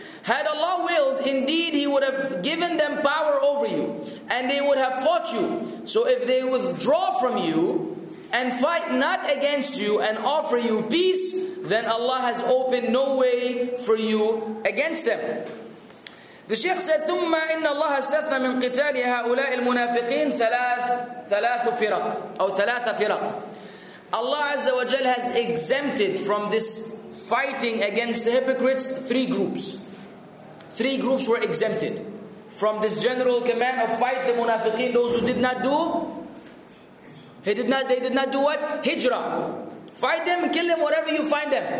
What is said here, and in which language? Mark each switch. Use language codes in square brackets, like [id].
[en] Had Allah willed, indeed He would have given them power over you, and they would have fought you. So if they withdraw from you, and fight not against you, and offer you peace, then Allah has opened no way for you against them. The Shaykh said, [ar] ثُمَّ إِنَّ اللَّهَ أَسْتَثْنَى مِنْ قِتَالِ هَؤُلَاءِ الْمُنَافِقِينَ ثَلَاثُ فِرَقْ أو ثَلَاثَ فِرَقْ. [en] Allah Azza wa Jal has exempted from this fighting against the hypocrites three groups. Three groups were exempted from this general command of fight the munafiqeen, those who did not do. They did not do what? Hijrah. Fight them, kill them, whatever you find them.